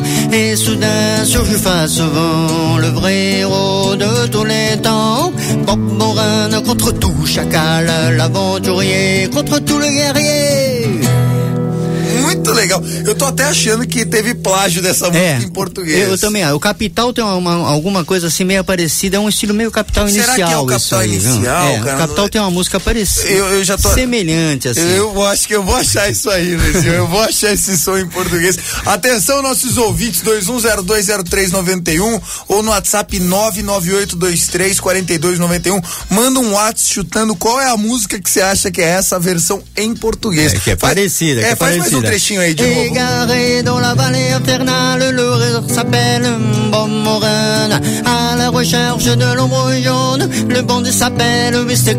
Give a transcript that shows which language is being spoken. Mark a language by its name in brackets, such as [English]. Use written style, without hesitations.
[French] Et soudain surgit face au vent le vrai héros de tous les temps, Bob Moran contre tout chacal, l'aventurier contre tout le guerrier. [Portuguese] Muito legal. Eu tô até achando que teve plágio dessa música em português. Eu também. O Capital tem alguma coisa assim meio parecida. É um estilo meio Capital Será Inicial. Será que é o Capital aí, Inicial? É, o Capital tem uma música parecida. Eu já tô... Semelhante, assim. Eu acho que eu vou achar isso aí, Luizinho. Eu vou achar esse som em português. Atenção, nossos ouvintes, 21020391 ou no WhatsApp 998234291. Manda um WhatsApp chutando qual é a música que você acha que é essa versão em português. É, que é parecida. Que é faz parecida. Mais um trechinho aí de [French] égaré dans la vallée infernale, le réseau s'appelle Bob Moran. À la recherche de l'ombre jaune, le bandit s'appelle Mr.